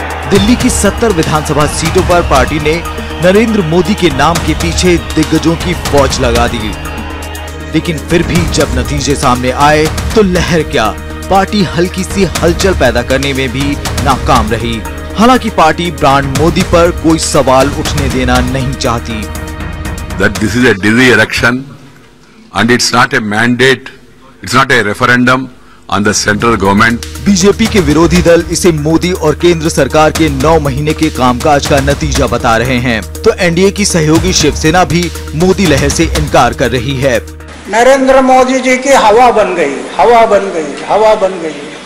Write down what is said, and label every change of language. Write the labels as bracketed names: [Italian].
[Hindi] दिल्ली की 70 विधानसभा सीटों पर पार्टी ने नरेंद्र मोदी के नाम के पीछे दिग्गजों की फौज लगा दी, लेकिन फिर भी जब नतीजे सामने आए तो लहर क्या, पार्टी हल्की सी हलचल पैदा करने में भी नाकाम रही। हालांकि पार्टी ब्रांड मोदी पर कोई सवाल उठने देना नहीं चाहती। [English] That this is a dizzy election and it's not a mandate, it's not a referendum on the central government. [Hindi] BJP के विरोधी दल इसे मोदी और केंद्र सरकार के 9 महीने के कामकाज का नतीजा बता रहे हैं, तो एनडीए की सहयोगी शिवसेना भी मोदी लहर से इनकार कर रही है। नरेंद्र मोदी जी की हवा बन गई, हवा बन गई, हवा बन गई।